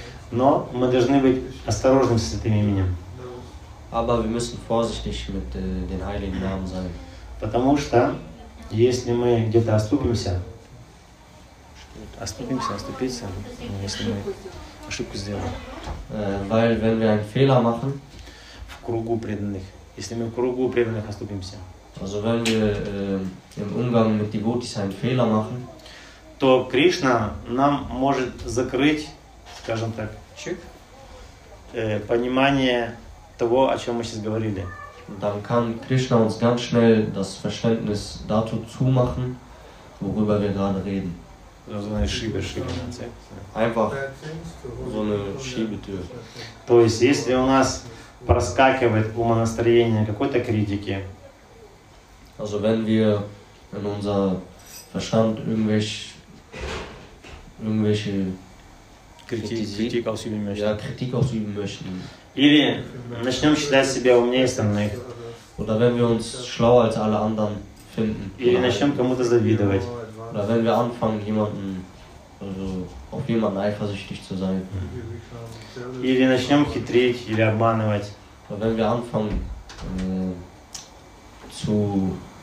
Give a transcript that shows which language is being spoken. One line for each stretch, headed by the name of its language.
Russian: Но мы должны быть осторожны с этим именем.
German: Aber wir müssen vorsichtig mit den heiligen Namen sein.
Russian: Потому что если мы где-то оступимся, если мы ошибку сделаем.
German: Weil wenn wir einen Fehler machen,
Russian: в кругу преданных, если мы в кругу преданных оступимся.
German: Also wenn wir im Umgang mit Devotees einen Fehler machen,
Russian: то Кришна нам может закрыть, скажем так, чик, понимание того, о чем мы сейчас говорили.
German: Dann kann Krishna uns ganz schnell das Verständnis dazu zumachen, worüber wir gerade reden. So eine Schiebetür. Einfach so eine Schiebetür.
Russian: То есть, если у нас проскакивает умонастроение какой-то критики,
German: also wenn wir in unser Verstand irgendwelche Kritik ausüben möchten.
Russian: Или начнем считать себя умнее остальных.
German: Oder wenn wir uns schlauer als alle anderen finden.
Russian: Или начнем кому-то завидовать.
German: Oder wenn wir anfangen, jemanden, also auf jemanden eifersüchtig zu sein.
Russian: Или начнем хитрить или обманывать.
German: Oder wenn wir anfangen, zu